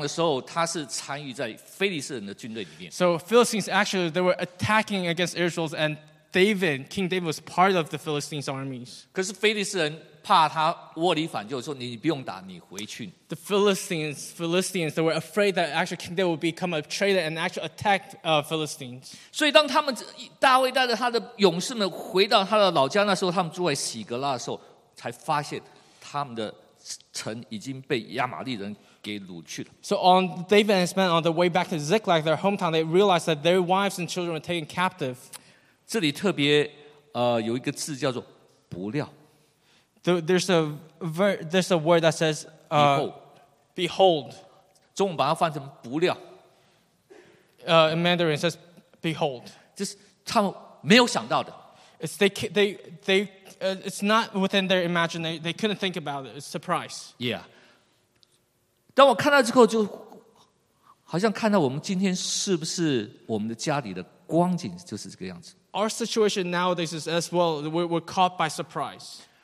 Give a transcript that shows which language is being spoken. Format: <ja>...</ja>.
<zh>但是当非利士人要跟以色列打仗的时候，他是参与在非利士人的军队里面。</zh> <en>So Philistines actually they were attacking against Israel, and David, King David, was part of the Philistines' armies.</en> <zh>可是非利士人怕他窝里反，就说你不用打，你回去。</zh> <en>The Philistines, they were afraid that actually King David would become a traitor and actually attack Philistines.</en> <zh>所以当他们大卫带着他的勇士们回到他的老家，那时候他们住在洗格拉的时候，才发现他们的。</zh> <en>So on David and his men on the way back to Ziklag, their hometown, they realized that their wives and children were taken captive.</en> <zh>这里特别有一个字叫做不料.</zh> <en>There's a word that says behold.</en> <zh>中文把它翻成不料.</zh> <en>In Mandarin it says behold.</en> <zh>就是他们没有想到的.</zh> <en>It's not within their imagination. They couldn't think about it. It's a surprise. Yeah.</en> <zh>当我看到之后，就好像看到我们今天是不是我们的家里的光景就是这个样子。</zh> <en>Our situation nowadays is as well. We're caught by surprise.</en>